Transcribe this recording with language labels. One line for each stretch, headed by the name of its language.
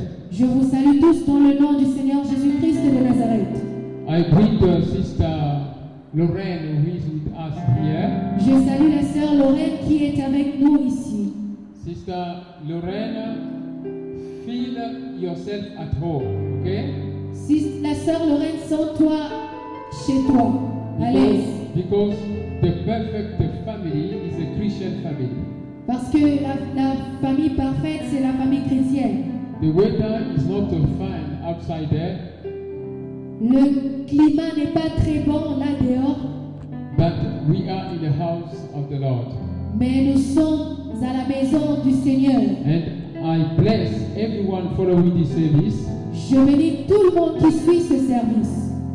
French: Je vous salue tous dans le nom du Seigneur Jésus-Christ de Nazareth.
English: I greet Sister Lorraine who is with us here.
French: Je salue la sœur Lorraine qui est avec nous ici.
English: Sister Lorraine, feel yourself at home, okay?
French: La sœur Lorraine, sens-toi chez toi, à l'aise.
English: Because the perfect family is a Christian family.
French: Parce que la famille parfaite, c'est la famille chrétienne.
English: The weather is not fine outside there.
French: Le climat n'est pas très bon là dehors.
English: But we are in the house of the Lord.
French: Mais nous sommes à la maison du Seigneur.
English: And I bless everyone following this service.
French: Je bénis tout le monde qui suit ce service.